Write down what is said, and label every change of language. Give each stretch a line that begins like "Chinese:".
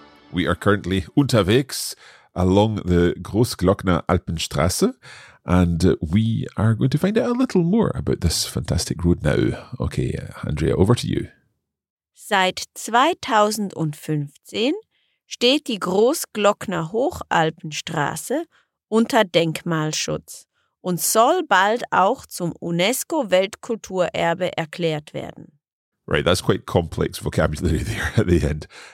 English: We are currently unterwegs along the Großglockner Alpenstraße, and we are going to find out a little more about this fantastic road now. Okay, Andrea, over to you.
German: Seit 2015 steht die Großglockner Hochalpenstraße unter Denkmalschutz und soll bald auch zum UNESCO-Weltkulturerbe erklärt werden.
English: Right, that's quite complex vocabulary there at the end.